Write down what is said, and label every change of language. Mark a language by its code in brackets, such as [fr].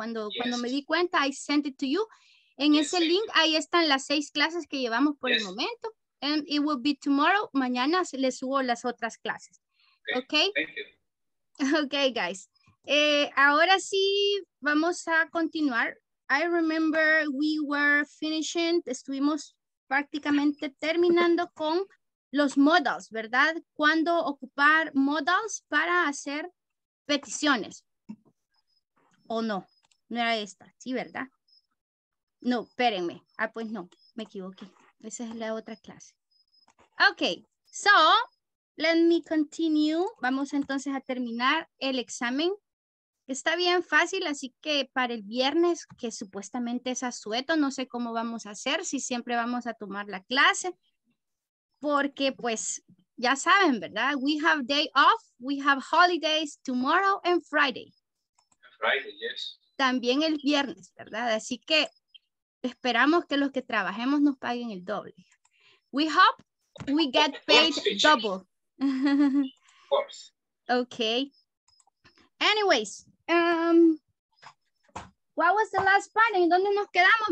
[es] Cuando me di cuenta, [en] I sent it to you. [es] En ese link, ahí están las 6 clases que llevamos por el momento. [en] And it will be tomorrow. [es] Mañana les subo las otras clases. Okay. [en] Thank you. Okay, guys. [es] Ahora sí vamos a continuar. [en] I remember we were finishing. [es] Estuvimos prácticamente terminando con los modals, ¿verdad? Cuando ocupar modals para hacer peticiones. ¿O no? No era esta, ¿sí, verdad? No, espérenme. Ah, pues no, me equivoqué. Esa es la otra clase. [en] Okay, so let me continue. [es] Vamos entonces a terminar el examen. Está bien fácil, así que para el viernes, que supuestamente es asueto, no sé cómo vamos a hacer, si siempre vamos a tomar la clase, porque pues ya saben, ¿verdad? [en] We have day off, we have holidays tomorrow and Friday. Friday, yes. [es] También el viernes, ¿verdad? Así que esperamos que los que trabajemos nos paguen el doble. [en] We hope we get paid double. Of course. Okay. Anyways, what was the last part? [es] ¿En dónde nos quedamos?